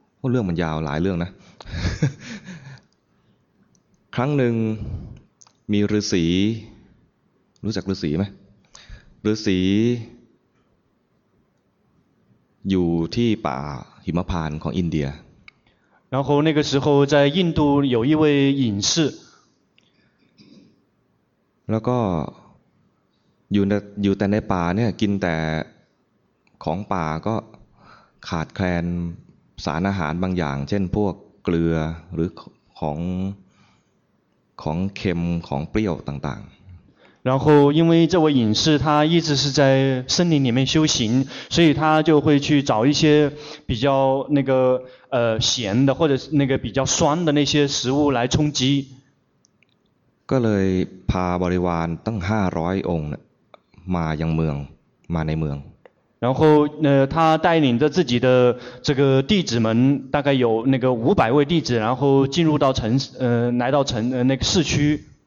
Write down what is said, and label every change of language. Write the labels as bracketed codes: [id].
[th] เรื่องมันยาวหลายเรื่องนะครั้งหนึ่งมีฤาษีรู้จักฤาษีไหมฤาษีอยู่ที่ป่าหิมพานต์ของอินเดีย [zh] 然后那个时候在印度有一位隐士 [th] แล้วก็อยู่แต่ในป่าเนี่ยกินแต่ของป่าก็ขาดแคลนสารอาหารบางอย่างเช่นพวกเกลือหรือของเค็มของเปรี้ยวต่างๆ [zh] 然后因为这位隐士他一直是在森林里面修行所以他就会去找一些比较那个咸的或者那个比较酸的那些食物来充饥 [th] ก็เลยพาบริวารตั้ง500องค์มายังเมืองมาในเมือง [zh] 然后他带领着自己的这个弟子们大概有那个500位弟子然后进入到城来到城那个市区